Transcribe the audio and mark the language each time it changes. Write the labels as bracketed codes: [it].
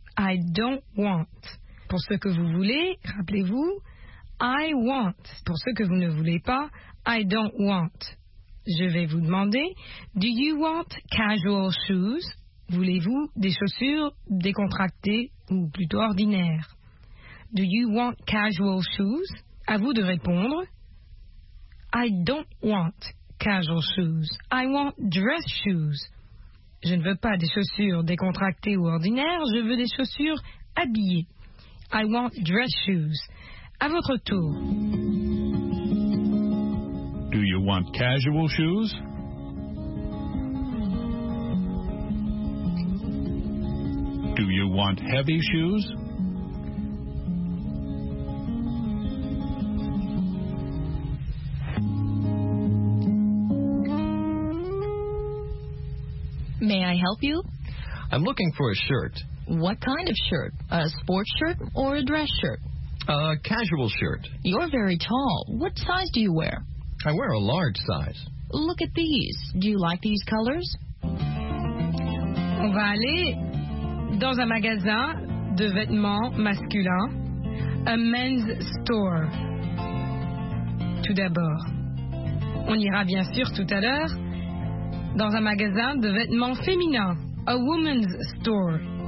[en] I don't want. [fr] Pour ce que vous voulez, rappelez-vous, [en] I want. [fr] Pour ce que vous ne voulez pas, [en] I don't want. [fr] Je vais vous demander, [en] do you want casual shoes? [fr] Voulez-vous des chaussures décontractées ou plutôt ordinaires? [en] Do you want casual shoes? [fr] À vous de répondre, [en] I don't want casual shoes. I want dress shoes. [fr] Je ne veux pas des chaussures décontractées ou ordinaires, je veux des chaussures habillées. [en] I want dress shoes. [fr] À votre tour. [en] Do you want casual shoes? Do you want heavy shoes? May I help you? I'm looking for a shirt. What kind of shirt? A sports shirt or a dress shirt? A casual shirt. You're very tall. What size do you wear? I wear a large size. Look at these. Do you like these colors? [fr] On va aller dans un magasin de vêtements masculins, [en] a men's store, [fr] tout d'abord. On ira bien sûr tout à l'heure dans un magasin de vêtements féminins, [en] a woman's store.